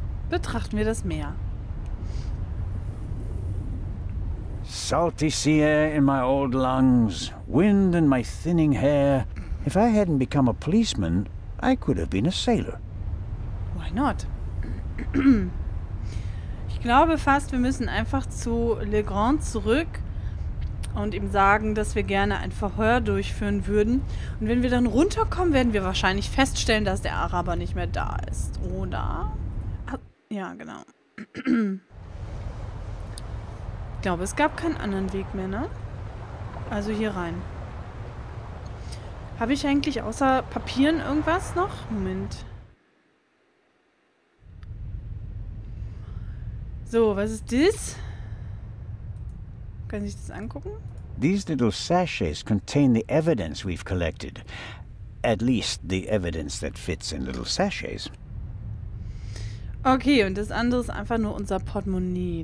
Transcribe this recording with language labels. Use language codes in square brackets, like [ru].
[de] Betrachten wir das Meer. [en] Salty sea air in my old lungs, wind in my thinning hair. If I hadn't become a policeman, I could have been a sailor. Why not? [de] Ich glaube fast, wir müssen einfach zu Le Grand zurück und ihm sagen, dass wir gerne ein Verhör durchführen würden. Und wenn wir dann runterkommen, werden wir wahrscheinlich feststellen, dass der Araber nicht mehr da ist, oder? Ja, genau. Ich glaube, es gab keinen anderen Weg mehr, ne? Also hier rein. Habe ich eigentlich außer Papieren irgendwas noch? Moment. So, was ist das? Kann ich das angucken? [en] These little sachets contain the evidence we've collected. At least the evidence that fits in little sachets. [de] Okay, und das andere ist einfach nur unser Portemonnaie.